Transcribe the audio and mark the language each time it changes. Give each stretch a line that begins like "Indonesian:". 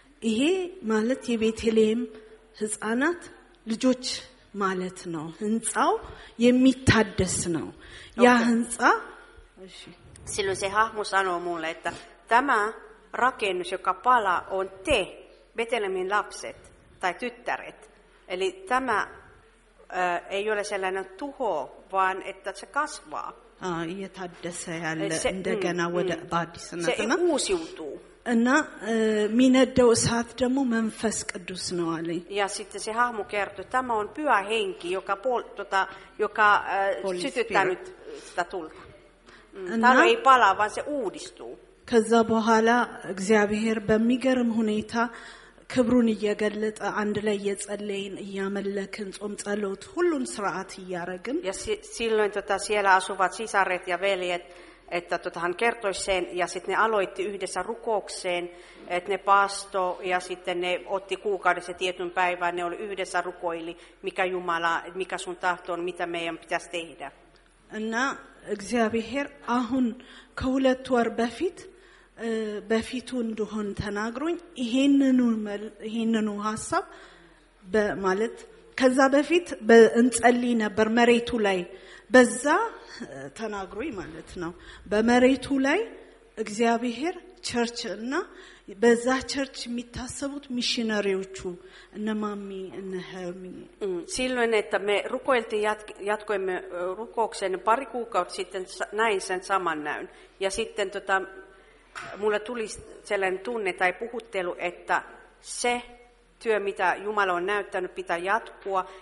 Amharic: ይሄ ማለት የቤተልሔም ህፃናት ልጆች ማለት ነው ህንጻው የሚታደስ ነው ያ ህንጻ እሺ
Finnish: silloin se hahmo sanoo mulle että tämä rakennus joka palaa on te Betlehemin lapset tai tyttäret eli tämä ei ole sellainen tuho vaan että se kasvaa
Amharic: እየታደሰ ያለ እንደገና ወደ አዲስነት
Finnish: ነው se uusiutuu
Amharic: እና ሚነደው ሰዓት ደግሞ መንፈስ ቅዱስ ነው አለኝ
Finnish: ያ ሲት ሲ ሀሙ ከርቱ tämä on pyhä henki joka tota joka sytyttänyt sitä tulta tämä ei palaa vaan se uudistuu
Amharic: ከዛ በኋላ እግዚአብሔር በሚገርም ሁኔታ ክብሩን እየገለጠ አንድ ላይ እየጸለይን እያመለክን ጾም ጸሎት ሁሉን ስርዓት ያረግን
Finnish: ያ silloin tota siellä asuvat sisaret ja veljet että tota hän kertoi sen ja sitten ne aloitti yhdessä rukoukseen että ne pasto ja sitten ne otti kuukaudessa tietyn päivän ne oli yhdessä rukoili mikä Jumala mikä sun tahto on mitä meidän pitäisi tehdä
Amharic: anna እግዚአብሔር አሁን ከሁለት ወር በፊት በፊቱ እንደሆነ ተናግሮኝ ይሄንኑ ሐሳብ በማለት ከዛ በፊት በእንጸልይ ነበር መሬቱ ላይ በዛ ተናግሮኝ ማለት ነው በመሬቱ ላይ እግዚአብሔር ቸርች እና በዛ ቸርች የሚታሰቡት ሚሽነሪዎቹ እነማሚ እነሃሚ
Finnish: silloin että me rukoiltiin jatkoimme rukouksen pari kuukautta sitten näin sen saman näyn ja sitten tota mulle tuli sellainen tunne tai puhuttelu että se työ, mitä Jumala on näyttänyt, pitää jatkua.